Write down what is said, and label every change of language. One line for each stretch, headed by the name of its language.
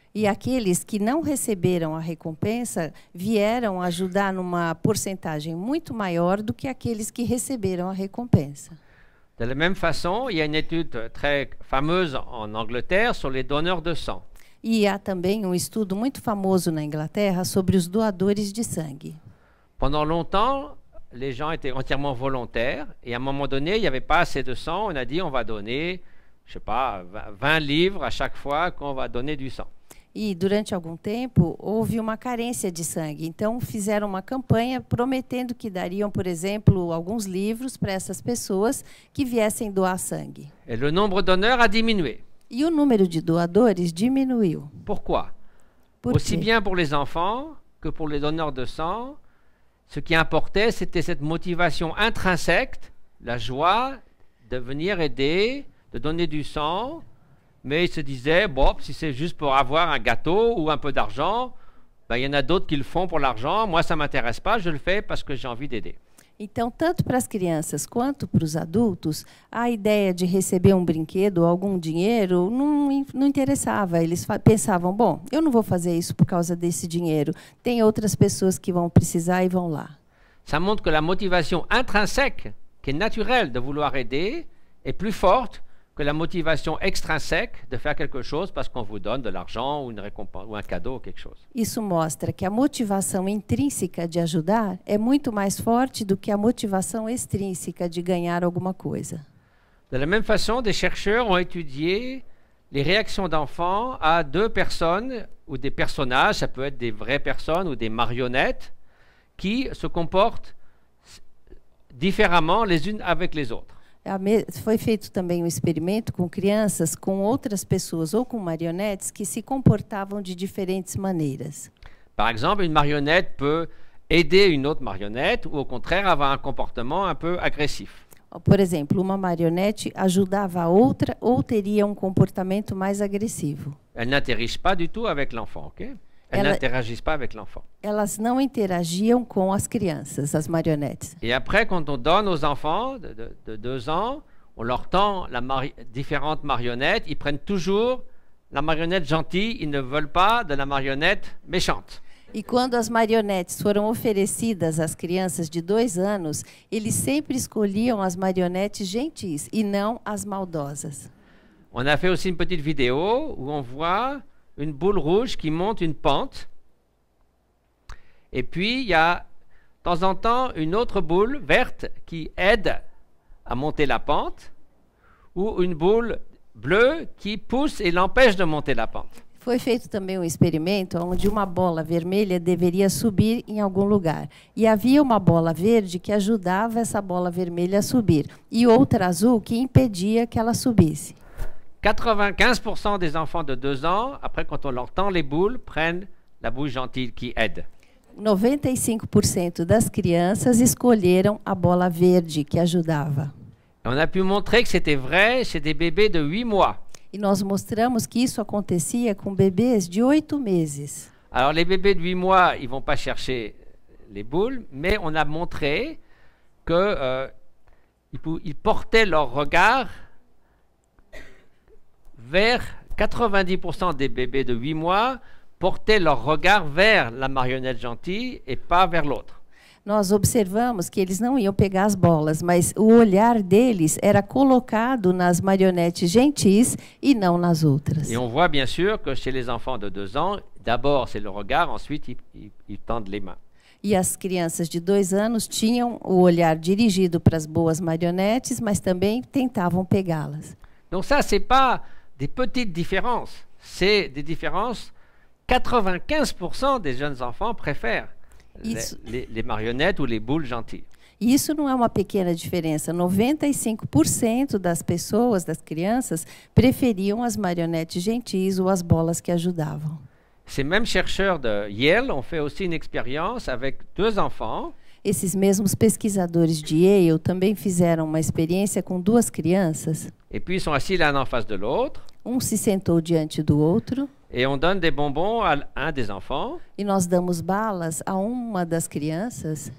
Portuguese: E aqueles que não receberam a recompensa vieram ajudar numa porcentagem muito maior do que aqueles que receberam a recompensa.
French: De la même façon, il y a une étude très fameuse en Angleterre sur les donneurs de sang.
Portuguese: E há também estudo muito famoso na Inglaterra sobre os doadores de sangue.
French: Pendant longtemps, les gens étaient entièrement volontaires et à un moment donné, il y avait pas assez de sang, on a dit on va donner, je sais pas, 20 livres à chaque fois qu'on va donner du sang.
Portuguese: E durante algum tempo houve uma carência de sangue, então fizeram uma campanha prometendo que dariam, por exemplo, alguns livros para essas pessoas que viessem doar sangue.
French: Et le nombre d'honneurs a diminué.
Portuguese: E o número de doadores diminuiu.
French: Pourquoi?
Portuguese: Por
French: aussi
Portuguese: quê?
French: Bien pour les enfants que pour les donneurs de sang, ce qui importait c'était cette motivation intrinsèque, la joie de venir aider, de donner du sang. Mais ils se disaient, bon, si c'est juste pour avoir un gâteau ou un peu d'argent, ben, il y en a d'autres qui le font pour l'argent. Moi, ça ne m'intéresse pas, je le fais parce que j'ai envie d'aider.
Portuguese: Então, tanto para as crianças quanto para os adultos, a ideia de receber brinquedo ou algum dinheiro não interessava. Eles pensavam, bom, eu não vou fazer isso por causa desse dinheiro. Tem outras pessoas que vão precisar e vão lá.
French: Ça montre que la motivation intrinsèque, que est naturelle de vouloir aider, est plus forte que la motivation extrinsèque de faire quelque chose parce qu'on vous donne de l'argent ou une récompense ou un cadeau ou quelque chose.
Portuguese: Isso mostra que a motivação intrínseca de ajudar é muito mais forte do que a motivação extrínseca de ganhar alguma coisa.
French: De la même façon, des chercheurs ont étudié les réactions d'enfants à deux personnes ou des personnages, ça peut être des vraies personnes ou des marionnettes, qui se comportent différemment les unes avec les autres.
Portuguese: Foi feito também um experimento com crianças, com outras pessoas ou com marionetes que se comportavam de diferentes maneiras.
French: Par exemple, une marionnette peut aider une autre marionnette ou au contraire avoir un comportement un peu agressif.
Portuguese: Por exemplo, uma marionete ajudava a outra ou teria um comportamento mais agressivo.
French: Elle n'interagit pas du tout avec l'enfant, OK? N'interagissent pas avec l'enfant.
Portuguese: Elas não interagiam com as crianças, as marionetes.
French: Et après, quand on donne aux enfants de deux ans, on leur tend la différente marionnette, ils prennent toujours la marionnette gentille, ils ne veulent pas de la marionnette méchante.
Portuguese: E quando as marionetes foram oferecidas às crianças de dois anos, eles sempre escolhiam as marionetes gentis e não as maldosas.
French: On a fait aussi une petite vidéo où on voit une boule rouge qui monte une pente. Et puis, il y a de temps en temps une autre boule verte qui aide à monter la pente ou une boule bleue qui pousse et l'empêche de monter la pente.
Portuguese: Foi feito também experimento onde uma bola vermelha deveria subir em algum lugar. E havia uma bola verde que ajudava essa bola vermelha a subir e outra azul que impedia que ela subisse.
French: 95% des enfants de 2 ans, après quand on leur tend les boules, prennent la boule gentille qui aide.
Portuguese: 95% das crianças escolheram a bola verde que ajudava.
French: Et on a pu montrer que c'était vrai chez des bébés de 8 mois.
Portuguese: E nós mostramos que isso acontecia com bebês de 8 meses.
French: Alors les bébés de 8 mois, ils vont pas chercher les boules, mais on a montré que ils portaient leur regard vers 90% des bébés de 8 mois portaient leur regard vers la marionnette gentille et pas vers l'autre.
Portuguese: Nós observamos que eles não iam pegar as bolas, mas o olhar deles era colocado nas marionetes gentis e não nas outras.
French: Et on voit bien sûr que chez les enfants de 2 ans, d'abord c'est le regard, ensuite ils tendent les mains.
Portuguese: E as crianças de 2 anos tinham o olhar dirigido para as boas marionetes, mas também tentavam pegá-las.
French: Donc ça c'est pas des petites différences, c'est des différences 95% des jeunes enfants préfèrent les marionnettes ou les boules gentilles.
Portuguese: Isso não é uma pequena diferença, 95% das pessoas, das crianças, preferiam as marionetes gentis ou as bolas que ajudavam.
French: Ces mêmes chercheurs de Yale ont fait aussi une expérience avec deux enfants.
Portuguese: Esses mesmos pesquisadores de Yale também fizeram uma experiência com duas crianças.
French: Et puis ils sont assis l'un en face de l'autre.
Portuguese: Um se sentou diante do outro.
French: Et on donne des bonbons à un des enfants.
Portuguese: E nós damos balas a uma das crianças.